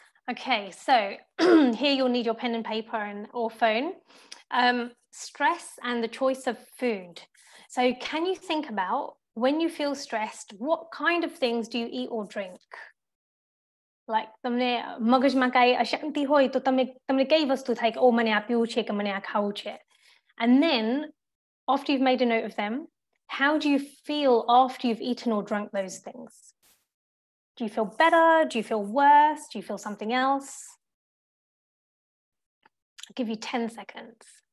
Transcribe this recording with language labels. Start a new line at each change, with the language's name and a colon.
English: Okay, so here you'll need your pen and paper and or phone. Stress and the choice of food. So can you think about when you feel stressed, what kind of things do you eat or drink?
Gujarati: Like તમને મગજમાં કઈ અશાંતિ હોય તો તમને કઈ વસ્તુ થાય કે ઓ મને આ પીવું છે કે મને આ ખાવું છે.
English: And then after you've made a note of them, how do you feel after you've eaten or drunk those things? Do you feel better? Do you feel worse? Do you feel something else? I'll give you 10 seconds.